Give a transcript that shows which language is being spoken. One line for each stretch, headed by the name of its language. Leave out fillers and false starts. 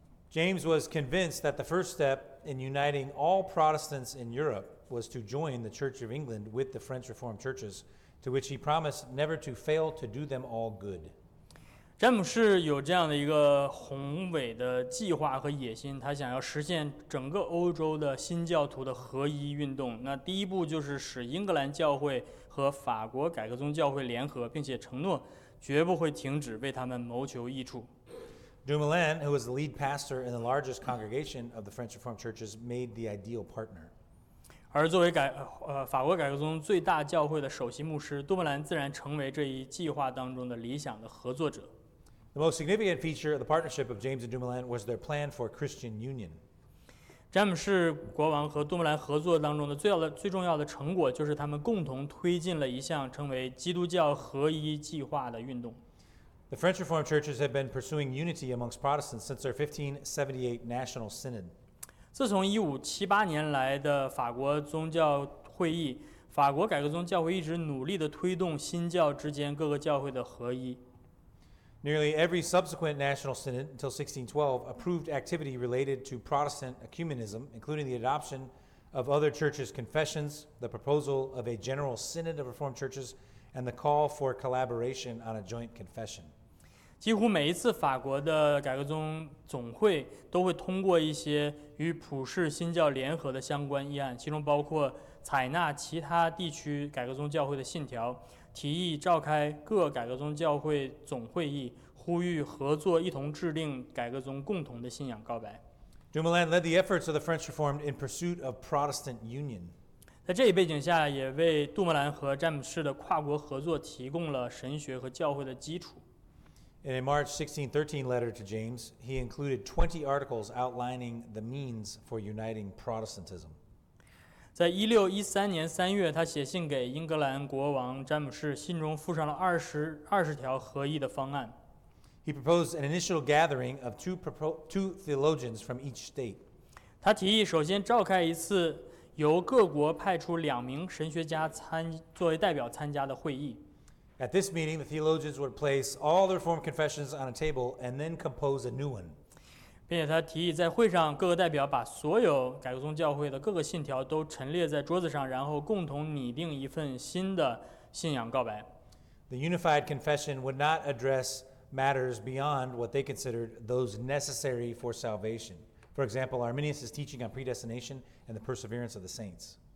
English: James was convinced that the first step in uniting all Protestants in Europe was to join the Church of England with the French Reformed churches, to which he promised never to fail to do them all good.
Chinese: 詹姆士有这样的一个宏伟的计划和野心，他想要实现整个欧洲的新教徒的合一运动。那第一步就是使英格兰教会和法国改革宗教会联合，并且承诺绝不会停止为他们谋求益处。
English: Dumoulin, who was the lead pastor in the largest congregation of the French Reformed churches, made the ideal partner.
Chinese: 而作为法国改革宗最大教会的首席牧师，杜莫兰自然成为这一计划当中的理想的合作者。
English: The most significant feature of the partnership of James and Dumoulin was their plan for Christian union.
Chinese: 詹姆士国王和杜莫兰合作当中的最重要的成果就是他们共同推进了一项称为基督教合一计划的运动。
English: The French Reformed churches have been pursuing unity amongst Protestants since their 1578 National Synod.
Chinese: 自从1578年来的法国宗教会议，法国改革宗教会一直努力地推动新教之间各个教会的合一。
English: Nearly every subsequent national synod until 1612 approved activity related to Protestant ecumenism, including the adoption of other churches' confessions, the proposal of a general synod of Reformed churches, and the call for collaboration on a joint confession.
Chinese: 几乎每一次法国的改革宗总会都会通过一些与普世新教联合的相关议案，其中包括采纳其他地区改革宗教会的信条，提议召开各改革宗教会总会议，呼吁合作一同制定改革宗共同的信仰告白。
English: Dumoulin led the efforts of the French Reformed in pursuit of Protestant union.
Chinese: 在这一背景下，也为杜莫兰和詹姆士的跨国合作提供了神学和教会的基础。
English: In a March 1613 letter to James, he included 20 articles outlining the means for uniting Protestantism.
Chinese: 在1613年3月，他写信给英格兰国王詹姆士，信中附上了20条合议的方案。
English: He proposed an initial gathering of two theologians from each state.
Chinese: 他提议首先召开一次由各国派出两名神学家作为代表参加的会议。
English: At this meeting, the theologians would place all the Reformed confessions on a table and then compose a new one.
Chinese: 并且他提议在会上各个代表把所有改革宗教会的各个信条都陈列在桌子上，然后共同拟定一份新的信仰告白。
English: The unified confession would not address matters beyond what they considered those necessary for salvation. For example, Arminius' teaching on predestination and the perseverance of the saints.